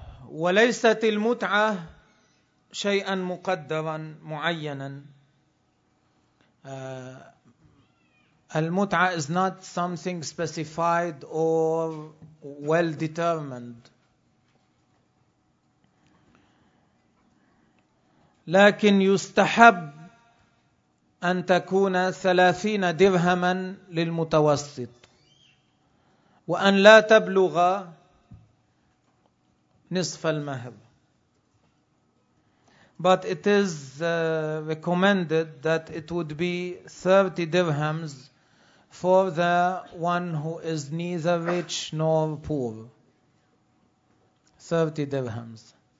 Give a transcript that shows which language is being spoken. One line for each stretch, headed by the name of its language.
Arabic: وليست المتعة شيئا مقدرا معينا.
English: المتعة is not something specified or well determined.
Arabic: لكن يستحب أن تكون 30 درهما للمتوسط، وأن لا تبلغ نصف المهر.
English: But it is recommended that it would be 30 dirhams for the one who is neither rich nor poor. 30 dirhams.